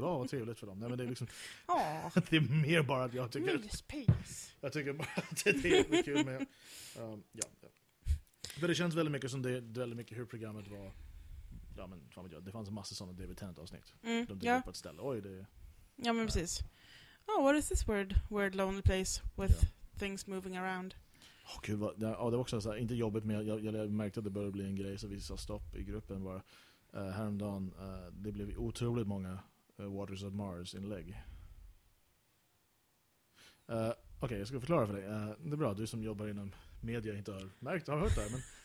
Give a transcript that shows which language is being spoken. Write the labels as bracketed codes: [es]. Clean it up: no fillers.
[sv] Vad trevligt för dem. Nej, men det är liksom... Oh. Det är mer bara att jag tycker... Myspace. Jag tycker bara att det är kul med... ja. För det känns väldigt mycket som det är väldigt mycket hur programmet var... Ja, men fan vet jag. Det fanns en massa sådana David Tennant-avsnitt. Mm, de dyker upp på ett ställe. Oj, det är... Ja, men precis. [en] Oh, what is this weird lonely place with things moving around? [sv] Åh, gud. Det var också så här, inte jobbigt, men jag märkte att det började bli en grej, så vi sa stopp i gruppen. Bara, häromdagen, det blev otroligt många Waters of Mars-inlägg. Okej, jag ska förklara för dig. Det är bra, du som jobbar inom media inte har märkt, har hört det, men...